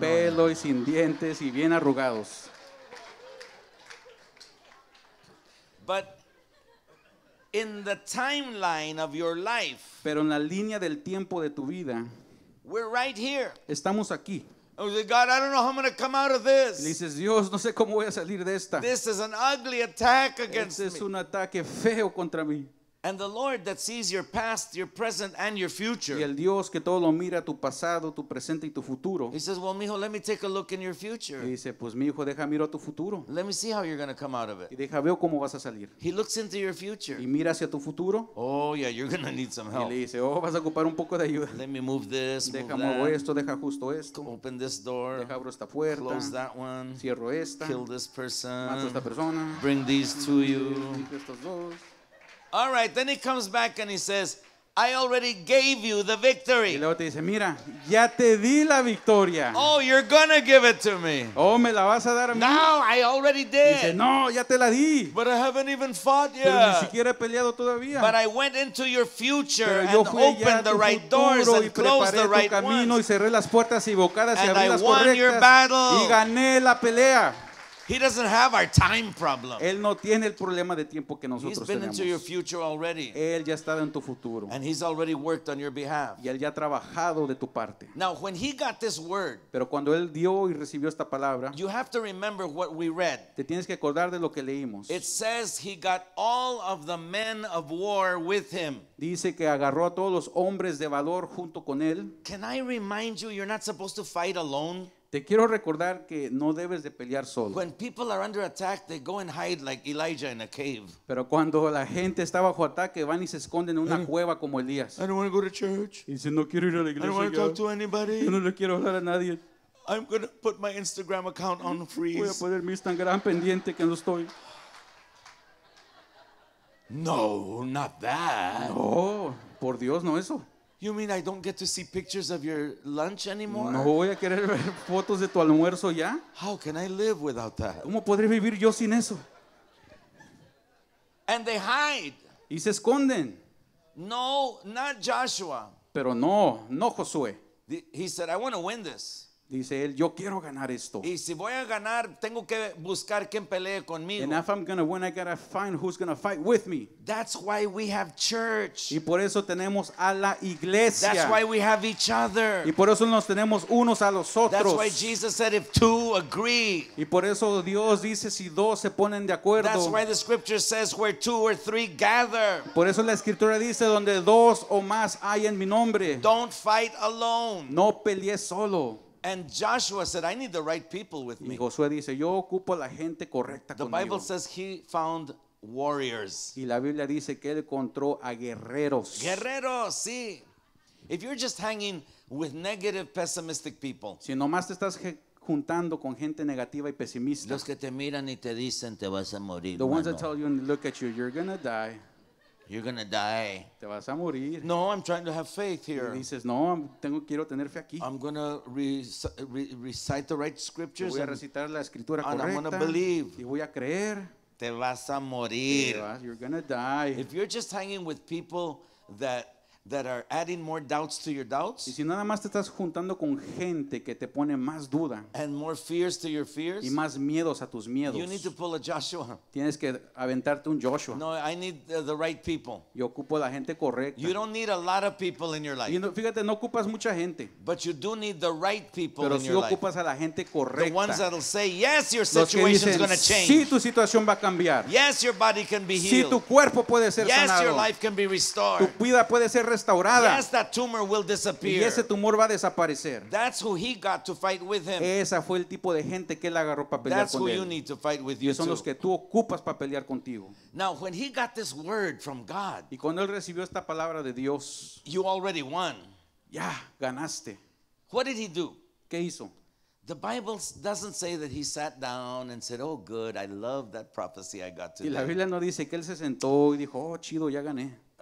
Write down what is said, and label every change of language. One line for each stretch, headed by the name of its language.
Spanish: Sin pelo y sin dientes y bien arrugados.
English: But in the timeline of your life,
Spanish: pero en la línea del tiempo de tu vida,
English: we're right here.
Spanish: Estamos aquí.
English: And we say, God, I don't know how I'm going to come out of this.
Spanish: Y dices, Dios, no sé cómo voy a salir de esta.
English: This is an ugly attack against
Spanish: me. Este es un ataque feo contra mí.
English: And the Lord that sees your past, your present, and your future.
Spanish: Y el Dios que todo lo mira, tu pasado, tu presente y tu futuro.
English: He says, well, mijo, let me take a look in your future.
Spanish: Y dice, pues, mijo, deja miro a tu futuro.
English: Let me see how you're going to come out of it.
Spanish: Y deja veo cómo vas a salir.
English: He looks into your future.
Spanish: Y mira hacia tu futuro.
English: Oh, yeah, you're going to need some help.
Spanish: Y le dice, oh, vas a ocupar un poco de ayuda.
English: Let me move this,
Spanish: deja
English: move that.
Spanish: Esto, deja justo esto.
English: Open this door.
Spanish: Deja abro esta puerta.
English: Close that one.
Spanish: Cierro esta.
English: Kill this person.
Spanish: Mato esta persona.
English: Bring these to you.
Spanish: Estos dos.
English: All right, then he comes back and he says, I already gave you the victory.
Spanish: Y luego te dice, mira, ya te di la victoria.
English: Oh, you're going to give it to me.
Spanish: Oh, me la vas a dar a mí.
English: No, I already did.
Spanish: Y dice, no, ya te la di.
English: But I haven't even fought yet.
Spanish: Pero ni siquiera he peleado todavía.
English: But I went into your future and opened the right doors and closed the right ones.
Spanish: Y cerré las puertas equivocadas y abrí las correctas.
English: And I won your battle.
Spanish: Y gané la pelea.
English: He doesn't have our time problem.
Spanish: Él no tiene el problema de tiempo que nosotros
English: tenemos. He's been into your future already.
Spanish: Él ya ha estado en tu futuro.
English: And he's already worked on your behalf.
Spanish: Y él ya ha trabajado de tu parte.
English: Now, when he got this word,
Spanish: pero cuando él dio y recibió esta palabra,
English: you have to remember what we read.
Spanish: Te tienes que acordar de lo que leímos.
English: It says he got all of the men of war with him.
Spanish: Dice que agarró a todos los hombres de valor junto con él.
English: Can I remind you, you're not supposed to fight alone?
Spanish: Te quiero recordar que no debes de pelear solo.
English: When people are under attack, they go and hide like Elijah in a cave.
Spanish: Pero cuando la gente está bajo ataque, van y se esconden en una cueva como Elías.
English: I don't want to go to church.
Spanish: Y dice, no quiero ir a la iglesia.
English: I don't want to talk to anybody.
Spanish: Yo no le quiero hablar a nadie.
English: I'm going to put my Instagram account on freeze.
Spanish: Voy a poner mi Instagram pendiente que no estoy.
English: No, not that.
Spanish: No, por Dios, no eso.
English: You mean I don't get to see pictures of your lunch anymore?
Spanish: No voy a querer ver fotos de tu almuerzo ya.
English: How can I live without that?
Spanish: ¿Cómo podré vivir yo sin eso?
English: And they hide.
Spanish: Y se esconden.
English: No, not Joshua.
Spanish: Pero no, no Josué.
English: He said, I want to win this.
Spanish: Dice él, yo quiero ganar esto. Y si voy a ganar, tengo que buscar quien pelee conmigo.
English: And if I'm going to win, I got to find who's going to fight with me. That's why we have church.
Spanish: Y por eso tenemos a la iglesia.
English: That's why we have each other.
Spanish: Y por eso nos tenemos unos a los otros.
English: That's why Jesus said if two agree.
Spanish: Y por eso Dios dice si dos se ponen de acuerdo.
English: That's why the scripture says where two or three gather.
Spanish: Por eso la escritura dice donde dos o más hay en mi nombre.
English: Don't fight alone.
Spanish: No pelees solo.
English: And Joshua said, I need the right people with me.
Spanish: Y Josué dice, yo ocupo la gente correcta
English: conmigo. The Bible says he found warriors.
Spanish: Y la Biblia dice que él encontró a guerreros. Guerreros, sí.
English: If you're just hanging with negative, pessimistic people.
Spanish: Si nomás te estás juntando con gente negativa y pesimista. Los que te miran y te dicen, te vas a morir.
English: The ones that tell you and look at you, you're going to die. You're gonna die.
Spanish: Te vas a morir.
English: No, I'm trying to have faith here.
Spanish: Y dices, no, tengo, quiero tener fe aquí.
English: I'm gonna recite the right scriptures.
Spanish: Voy a recitar la escritura correcta.
English: And I'm gonna believe.
Spanish: Y voy a creer. Te vas a morir.
English: You're gonna die. If you're just hanging with people that are adding more doubts to your doubts.
Spanish: Y si nada más te estás juntando con gente que te pone más duda.
English: And more fears to your fears.
Spanish: Y más miedos a tus miedos.
English: You need to pull a Joshua.
Spanish: Tienes que aventarte un Joshua.
English: No, I need the right people.
Spanish: Yo ocupo la gente correcta.
English: You don't need a lot of people in your life.
Spanish: Y no, fíjate, no ocupas mucha gente.
English: But you do need the right people
Spanish: pero
English: in your life.
Spanish: Pero si ocupas a la gente correcta.
English: The ones that'll say yes, your situation is going to change.
Spanish: Sí, tu situación va a cambiar.
English: Yes, your body can be healed.
Spanish: Sí, tu cuerpo puede ser
English: yes,
Spanish: sanado.
English: Yes, your life can be restored.
Spanish: Tu vida puede ser restaurada.
English: Yes, that tumor will disappear.
Spanish: Y ese tumor va a desaparecer.
English: That's who he got to fight with him.
Spanish: Esa fue el tipo de gente que él agarró para pelear
English: That's
Spanish: con
English: who
Spanish: él.
English: You need to fight with you
Spanish: son
English: too.
Spanish: Los que tú ocupas para pelear contigo.
English: Now, when he got this word from God,
Spanish: y cuando él recibió esta palabra de Dios,
English: you already won.
Spanish: Ya, ganaste.
English: What did he do?
Spanish: ¿Qué hizo?
English: The Bible doesn't say that he sat down and said, "Oh, good, I love that prophecy I got today."
Spanish: Y la Biblia no dice que él se sentó y dijo, "Oh, chido, ya gané."